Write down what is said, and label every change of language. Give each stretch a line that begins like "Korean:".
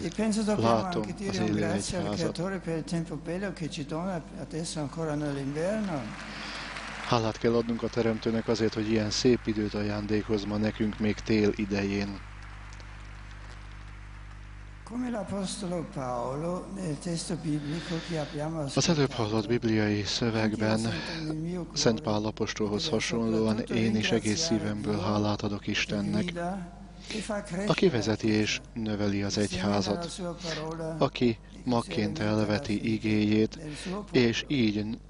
Italian: E penso dopo anche dire grazie al creatore per il tempo bello che ci dona adesso ancora nell'inverno.
Hungarian: Hálát kell adnunk a Teremtőnek azért, hogy ilyen szép időt ajándékoz ma nekünk még tél idején.
Italian: Come l'apostolo Paolo nel testo biblico che abbiamo ascoltato.
Hungarian: Az előbb hallott bibliai szövegben Szent Pál apostolhoz hasonlóan én is egész szívemből hálát adok Istennek, aki vezeti és növeli az egyházat, aki magként elveti igéjét, és így